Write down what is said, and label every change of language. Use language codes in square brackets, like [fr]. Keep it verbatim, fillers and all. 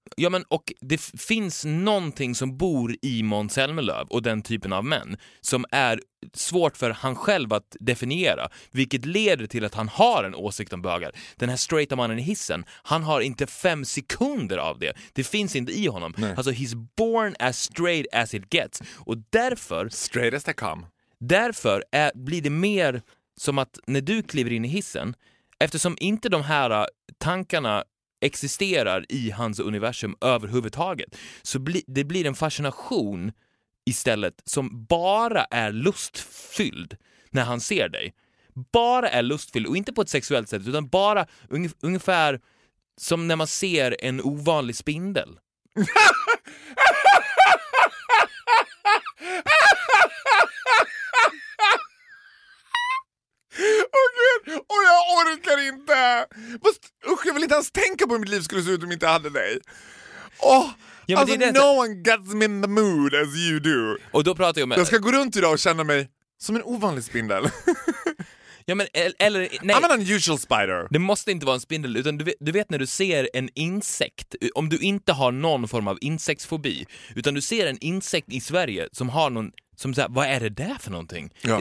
[sv] Ja, men och det f- finns någonting som bor i Måns Zelmerlöw och den typen av män som är svårt för han själv att definiera, vilket leder till att han har en åsikt om bögar. Den här straighta mannen i hissen, han har inte fem sekunder av det. Det finns inte i honom. Nej. Alltså, [en] he's born as straight as it gets. [sv] Och därför... [en] Straight as they come. [sv] Därför är, blir det mer som att när du kliver in i hissen, eftersom inte de här tankarna existerar i hans universum överhuvudtaget, så bli, det blir en fascination istället som bara är lustfylld när han ser dig. Bara är lustfylld, och inte på ett sexuellt sätt, utan bara ungef- ungefär som när man ser en ovanlig spindel. Och jag orkar inte. Usch, jag vill inte ens tänka på hur mitt liv skulle se ut om inte jag hade dig. Åh, ja, alltså det det. [en] No one gets me in the mood as you do. [sv] Och då pratar jag med... Jag ska gå runt idag och känna mig som en ovanlig spindel. Ja, men eller nej. [en] I'm an unusual spider. [sv] Det måste inte vara en spindel, utan du vet, du vet när du ser en insekt, om du inte har någon form av insektsfobi, utan du ser en insekt i Sverige som har någon som så här, vad är det där för någonting? Ja.